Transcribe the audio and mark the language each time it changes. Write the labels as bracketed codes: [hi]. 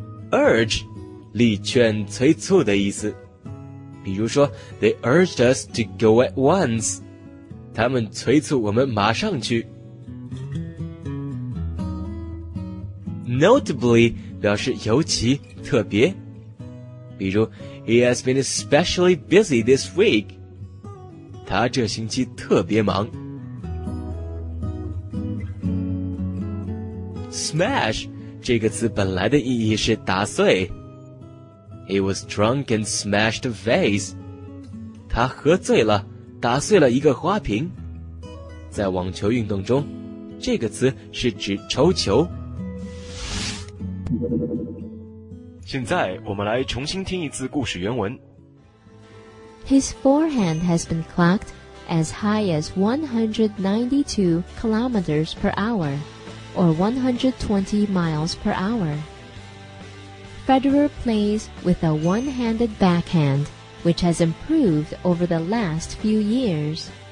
[zh] Urge, 力劝催促的意思。比如说 [en] ,they urged us to go at once. [zh] 他们催促我们马上去。 Notably, 表示尤其特别。比如 [en] He has been especially busy this week. [zh] 他这星期特别忙。 Smash 这个词本来的意义是打碎。 [en] He was drunk and smashed a vase. [zh] 他喝醉了，打碎了一个花瓶。在网球运动中，这个词是指抽球。现在我们来重新听一次故事原文。 [en] His forehand has been clocked as high as 192 kilometers per hour, or 120 miles per hour. Federer plays with a one-handed backhand, which has improved over the last few years.